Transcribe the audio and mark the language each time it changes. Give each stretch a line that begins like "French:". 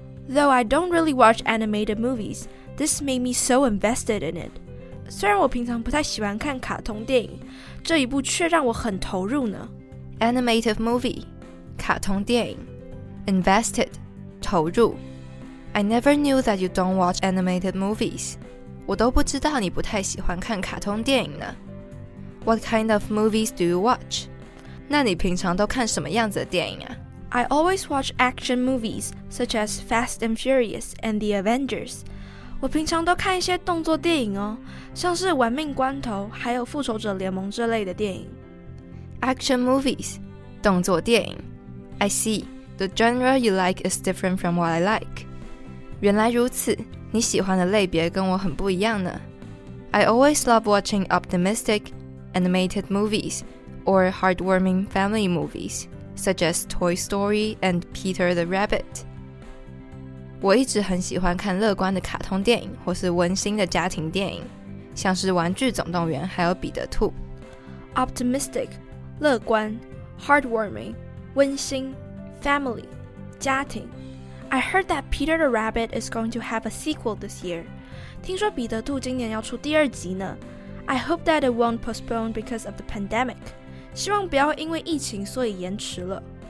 English: Though I don't really watch animated movies, this made me so invested in it.
Chinese: 虽然我平常不太喜欢看卡通电影，这一部却让我很投入呢。
English: Animated movie, 卡通电影。Invested, 投入。 I never knew that you don't watch animated movies.
Chinese: 我都不知道你不太喜欢看卡通电影呢。
English: What kind of movies do you watch?
Chinese: 那你平常都看什么样子的电影啊
English: ？I always watch action movies such as Fast and Furious and The Avengers.
Chinese: 我平常都看一些动作电影哦，像是《玩命关头》还有《复仇者联盟》这类的电影。
English: Action movies, 动作电影。I see. The genre you like is different from what I like.
Chinese: 原来如此，你喜欢的类别跟我很不一样呢。
English: I always love watching optimistic animated movies. Or heartwarming family movies, such as Toy Story and Peter the Rabbit.
Chinese: 我一直很喜欢看乐观的卡通电影或是温馨的家庭电影，像是《玩具总动员》还有《彼得兔》。
English: Optimistic, 乐观 heartwarming, 温馨 family, 家庭 I heard that Peter the Rabbit is going to have a sequel this year.
Chinese: 听说彼得兔今年要出第二集呢。
English: I hope that it won't postpone because of the pandemic.
Chinese: 希望不要因为疫情所以延迟了。